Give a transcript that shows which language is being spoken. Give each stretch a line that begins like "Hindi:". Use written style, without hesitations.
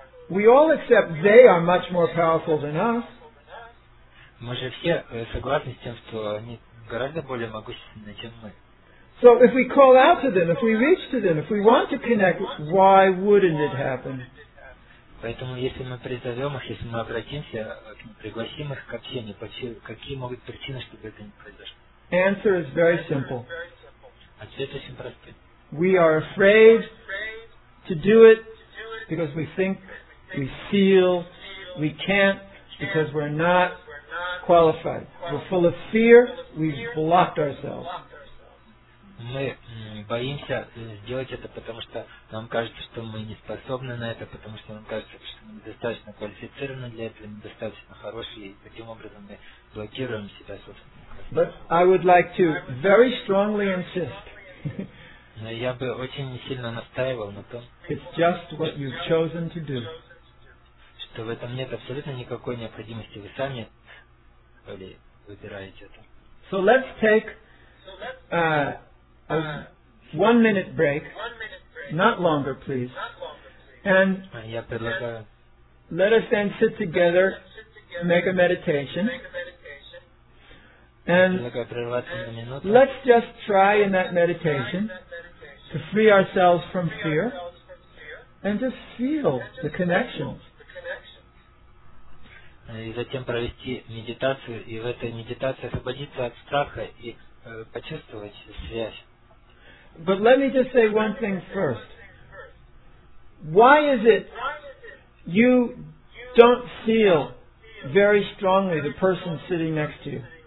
English: We all accept they are much more powerful than us.
Russian: Мы же все согласны с тем, что они гораздо более могущественны, чем мы.
English: So if we call out to them, if we reach to them, if we want to connect, why wouldn't it happen?
Russian: Поэтому, если мы призовем их, если мы обратимся, пригласим их к общению, какие могут быть причины, чтобы это не произошло?
English: Answer is very simple.
Russian: Ответ очень простой.
English: We are afraid to do it because we think, we feel, we can't because we're not qualified. We're full of fear, we've blocked ourselves.
Russian: мы боимся сделать это, потому что нам кажется, что мы не способны на это, потому что нам кажется, что мы недостаточно квалифицированы для этого, недостаточно хорошие, и таким образом мы блокируем себя собственно.
English: But I would like to very strongly insist.
Russian: Но я бы очень сильно настаивал на том,
English: it's just what you've chosen to do.
Russian: Что в этом нет абсолютно никакой необходимости. Вы сами или выбираете это.
English: So let's take a 1 minute break, not longer, please. And let us then sit together, make a meditation. And let's just try in that meditation to free ourselves from fear and just feel the connections.
Russian: И затем провести медитацию, и в этой медитации освободиться от страха и почувствовать связь.
English: But let me just say one thing first. Why is it you don't feel very strongly the person sitting next to you?